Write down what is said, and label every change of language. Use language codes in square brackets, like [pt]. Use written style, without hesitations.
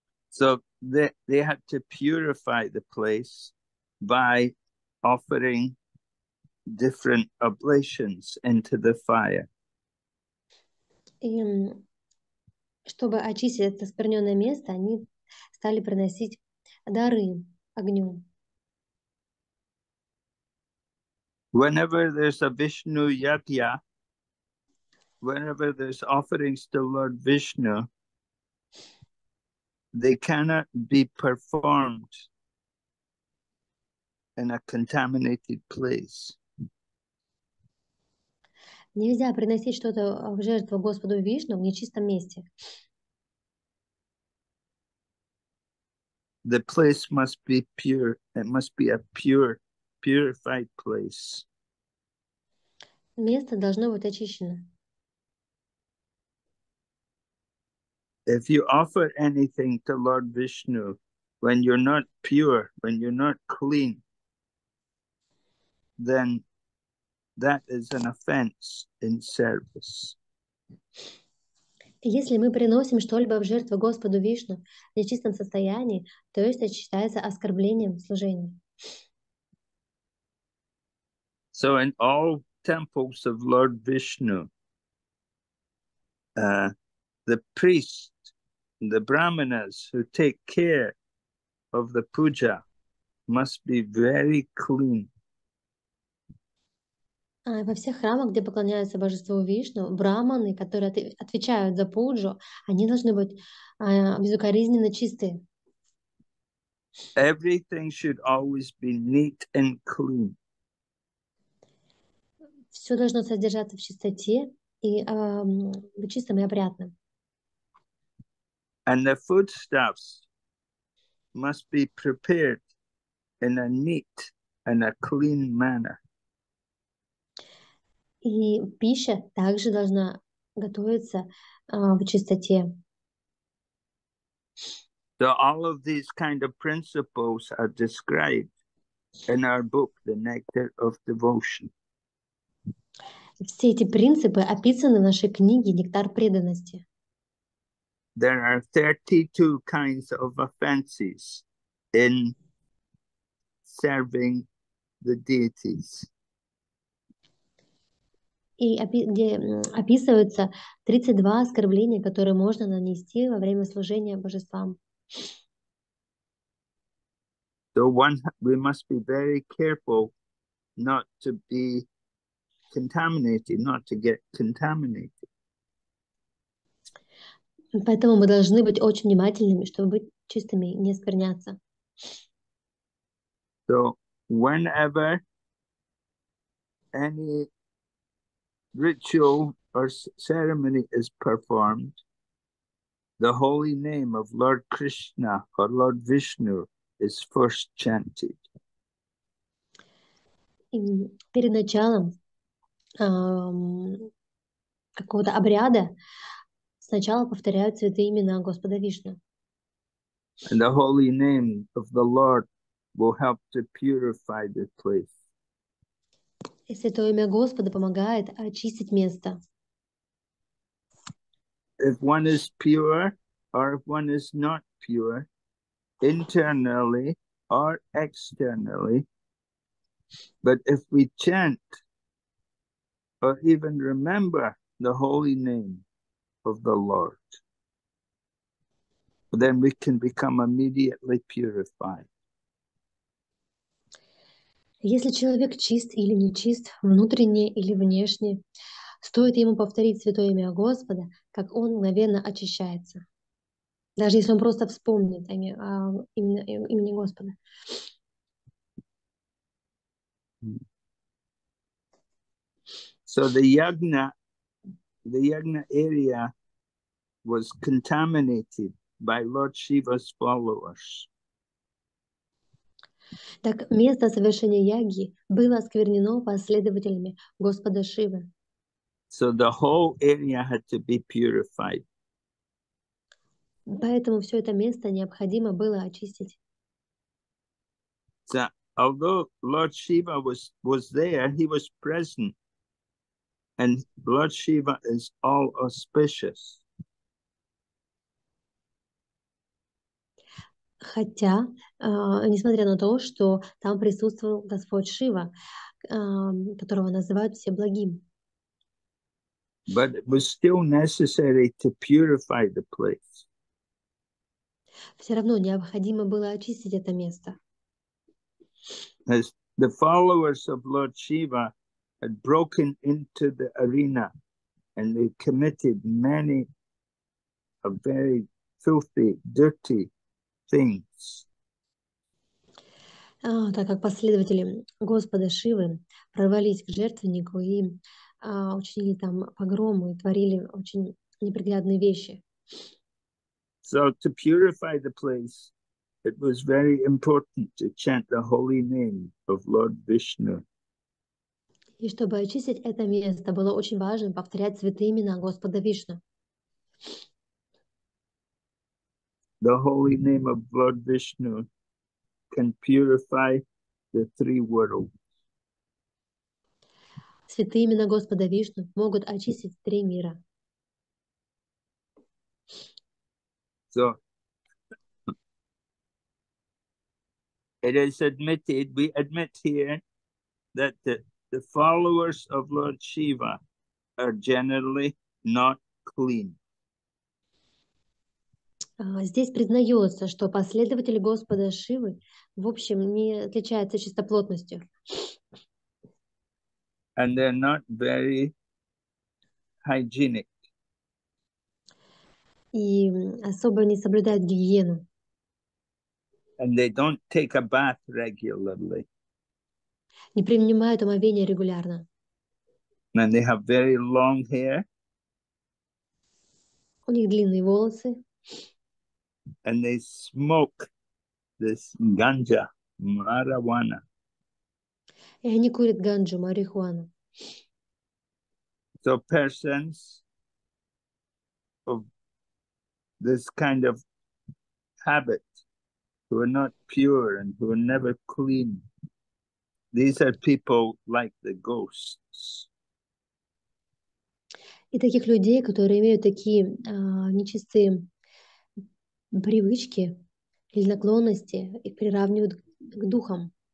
[en] So they had to purify the place by offering different oblations into the fire. [ru] И чтобы очистить это оскверненное место, они стали приносить дары огню. [en] Whenever there's a Vishnu Yajna, whenever there's offerings to Lord Vishnu, they cannot be performed in a contaminated place. [ru] Нельзя приносить что-то в жертву Господу Вишну в нечистом месте. [en] The place must be pure. It must be a pure, purified place. [ru] Место должно быть очищено. [en] If you offer anything to Lord Vishnu, when you're not pure, when you're not clean, then that is an offense in service. [ru] Если мы приносим что-либо в жертву Господу Вишну в нечистом состоянии, то это считается оскорблением служения. [en] So in all temples of Lord Vishnu, the priests, the brahmanas who take care of the puja must be very clean. [ru] Во всех храмах, где поклоняются божеству Вишну, браманы, которые отвечают за пуджу, они должны быть безукоризненно чисты. [en] Everything should always be neat and clean. [ru] Все должно содержаться в чистоте и быть чистым и опрятным. [en] And the foodstuffs must be prepared in a neat and a clean manner. [ru] И пища также должна готовиться в чистоте. [en] So all of these kind of principles are described in our book, The Nectar of Devotion. [ru] Все эти принципы описаны в нашей книге «Нектар преданности». [en] There are 32 kinds of offenses in serving the deities. [ru] И где описываются 32 оскорбления, которые можно нанести во время служения божествам. [en] So one, we must be very careful not to be contaminated, not to get contaminated. [ru] Поэтому мы должны быть очень внимательными, чтобы быть чистыми, не оскверняться. [en] So whenever any ritual or ceremony is performed, The holy name of Lord Krishna or Lord Vishnu is first chanted. [ru] Перед началом какого-то обряда сначала повторяют святые имена Господа Вишну. [en] And the holy name of the Lord will help to purify the place. [ru] И святое имя Господа помогает очистить место. [en] If one is pure or if one is not pure, internally or externally, but if we chant or even remember the holy name of the Lord, then we can become immediately purified. [ru] Если человек чист или нечист, внутренне или внешне, стоит ему повторить святое имя Господа, как он мгновенно очищается. Даже если он просто вспомнит имени Господа. [en] So the yagna area was contaminated by Lord Shiva's followers. [ru] Так место совершения яги было осквернено последователями Господа Шивы. [en] So the whole area had to be purified. [ru] Поэтому все это место необходимо было очистить. [en] So although Lord Shiva was there, he was present. And Lord Shiva is all auspicious. [ru] Хотя, несмотря на то, что там присутствовал Господь Шива, которого называют все благим. [en] But it was still necessary to purify the place. [ru] Все равно необходимо было очистить это место. [en] As the followers of Lord Shiva had broken into the arena and they committed many a very filthy, dirty things. [ru] Так как последователи Господа Шивы прорвались к жертвеннику и учинили там погромы и творили очень неприглядные вещи. [en] So to purify the place, it was very important to chant the holy name of Lord Vishnu. [ru] И чтобы очистить это место, было очень важно повторять святые имена Господа Вишну. [en] The holy name of Lord Vishnu can purify the three worlds. [ru] Святые имена Господа Вишну могут очистить три мира. [en] So, it is admitted, we admit here that the followers of Lord Shiva are generally not clean. [ru] Здесь признается, что последователи Господа Шивы, в общем, не отличаются чистоплотностью. [en] And they're not very hygienic. [ru] И особо не соблюдают гигиену. [en] And they don't take a bath regularly. [ru] Не принимают омовения регулярно. [en] And they have very long hair. [ru] У них длинные волосы. [en] And they smoke this ganja, marijuana. [ru] И они курят ганджу, марихуану. [en] So persons of this kind of habit who are not pure and who are never clean, these are people like the ghosts. [ru] И таких людей, которые имеют такие нечистые привычки или наклонности, их приравнивают к духам.